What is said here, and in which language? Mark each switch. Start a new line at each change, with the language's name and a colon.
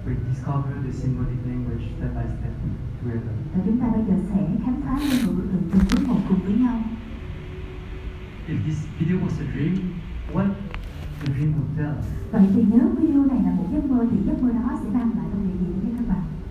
English: discover the symbolic language step by step together.
Vietnamese: Và chúng ta bây giờ sẽ khám phá ngôn ngữ từng chữ một cùng với nhau.
English: If this video was a dream, what the dream would tell?
Vietnamese: Vậy thì nếu video này là một giấc mơ thì giấc mơ đó sẽ mang lại thông điệp gì cho các bạn?